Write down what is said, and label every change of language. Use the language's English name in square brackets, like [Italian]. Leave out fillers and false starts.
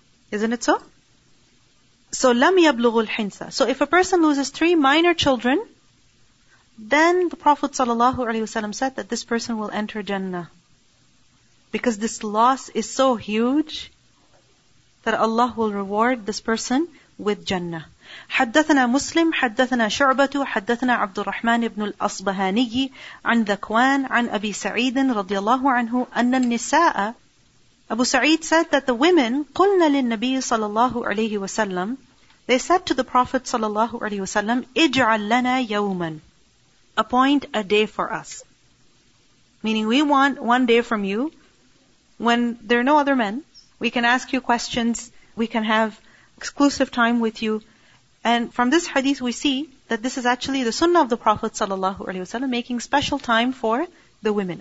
[English] Isn't it so? So, [Arabic] لَمْ يَبْلُغُ الْحِنْثَ. [English] So, if a person loses three minor children, then the Prophet ﷺ said that this person will enter Jannah. Because this loss is so huge that Allah will reward this person with Jannah. [Arabic] حدثنا مسلم حدثنا شعبة حدثنا عبد الرحمن بن الأصبهاني عن ذكوان عن أبي سعيد رضي الله عنه أن النساء, [English] Abu Sa'id said that the women, [Arabic] قلنا للنبي صلى الله عليه وسلم, [English] they said to the Prophet [Arabic] صلى الله عليه وسلم, اجعل لنا يوما, [English] appoint a day for us. Meaning we want one day from you when there are no other men. We can ask you questions. We can have exclusive time with you. And from this hadith we see that this is actually the sunnah of the Prophet ﷺ, making special time for the women.